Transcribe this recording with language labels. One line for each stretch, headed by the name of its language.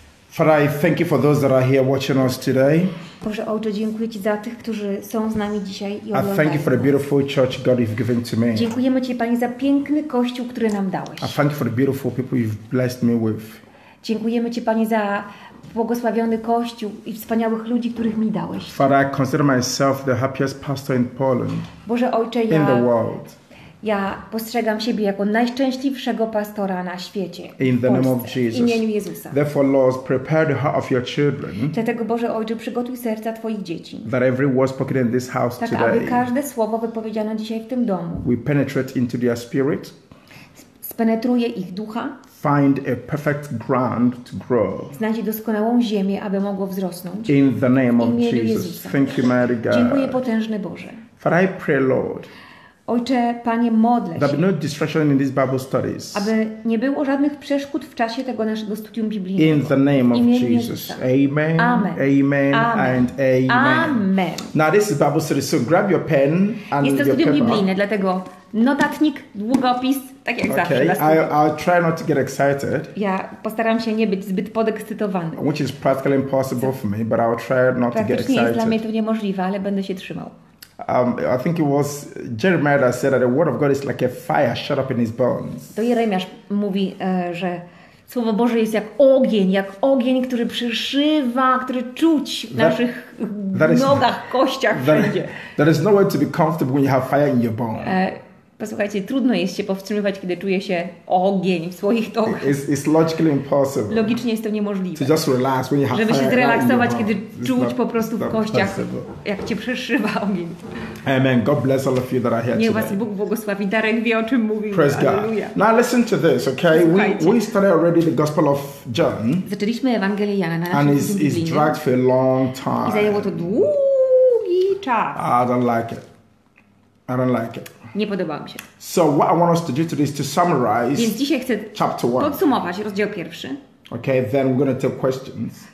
English: Father, I thank you for those that are here watching us today.
Polish: Boże Ojcze, dziękuję Ci za tych, którzy są z nami dzisiaj i oglądają.
English: I thank you for the beautiful church God you've given to me.
Polish: Dziękujemy Ci, Panie, za piękny kościół, który nam dałeś.
English: I thank you for the beautiful people you've blessed me with.
Polish: Dziękujemy Ci, Panie, za błogosławiony Kościół i wspaniałych ludzi, których mi dałeś.
English: Father, I consider myself the happiest pastor in Poland.
Polish: Boże Ojcze, ja postrzegam siebie jako najszczęśliwszego pastora na świecie.
English: In the name of Jesus.
Polish: W imieniu Jezusa.
English: Therefore, Lord, prepare the heart of your children.
Polish: Dlatego, Boże Ojcze, przygotuj serca Twoich dzieci.
English: That every word spoken in this house
Polish: tak,
English: today.
Polish: Aby każde słowo wypowiedziane dzisiaj w tym domu.
English: We penetrate into their spirit.
Polish: Spenetruje ich ducha.
English: Find a perfect ground to grow.
Polish: Znajdzie doskonałą ziemię, aby mogło wzrosnąć.
English: In the name of Jesus. Jezusa. Thank you, Mary God.
Polish: Dziękuję, potężny Boże.
English: For I pray, Lord.
Polish: Ojcze, Panie, modlę się,
English: no distraction in these Bible studies.
Polish: Aby nie było żadnych przeszkód w czasie tego naszego studium biblijnego.
English: In the name of Jesus. Amen. Amen. Amen. And amen. Amen. Now this is Bible study, so grab your pen and your paper.
Polish: Jest to studium biblijne, dlatego notatnik, długopis, tak jak
English: okay.
Polish: zawsze.
English: Okay. I'll try not to get excited.
Polish: Ja postaram się nie być zbyt podekscytowany.
English: Which is practically impossible for me, but I'll try not to get excited.
Polish: Jest dla mnie to niemożliwe, ale będę się trzymał.
English: I think it was Jeremiah that said that the word of God is like a fire shut up in his bones.
Polish: To Jeremiasz mówi, że słowo Boże jest jak ogień, który przyszywa, który czuć w naszych nogach, kościach wszędzie.
English: There is nowhere to be comfortable when you have fire in your bones.
Polish: Posłuchajcie, trudno jest się powstrzymywać, kiedy czuje się ogień w swoich tokach.
English: It's logically impossible.
Polish: Logicznie jest to niemożliwe.
English: To just relax when you have
Polish: żeby się zrelaksować,
English: fire
Polish: kiedy czuć po prostu w kościach,
English: possible.
Polish: Jak cię przeszywa ogień.
English: Amen. God bless all of you that are here.
Polish: Niech was Bóg błogosławi. Darek wie, o czym mówił.
English: Praise God. Now listen to this, okay? We started already the Gospel of John.
Polish: Zaczęliśmy Ewangelię Jana na
English: and it's dragged for a long time.
Polish: I zajęło to długi czas.
English: I don't like it. I don't like it.
Polish: Nie podoba mi się.
English: So what I want us to do today is to summarize.
Polish: Więc dzisiaj chcę podsumować rozdział pierwszy.
English: Okay, then we're gonna take questions.